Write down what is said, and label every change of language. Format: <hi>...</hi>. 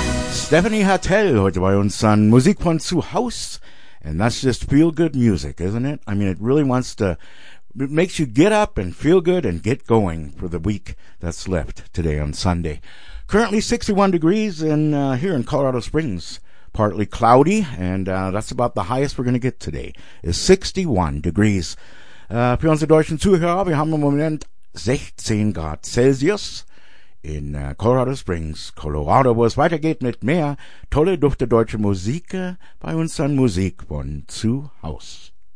<de>Stephanie Hartel heute bei uns on Musik von zu Haus.</de> <en>And that's just feel good music, isn't it? I mean, it really wants to, it makes you get up and feel good and get going for the week that's left today on Sunday. Currently 61 degrees in, here in Colorado Springs. Partly cloudy, and, that's about the highest we're gonna get today, is 61 degrees.</en> <de>Für unsere deutschen Zuhörer, wir haben im Moment 16 Grad Celsius. In Colorado Springs, Colorado, wo es weitergeht mit mehr tolle, dufte deutsche Musik bei uns an Musik von zu Haus.</de>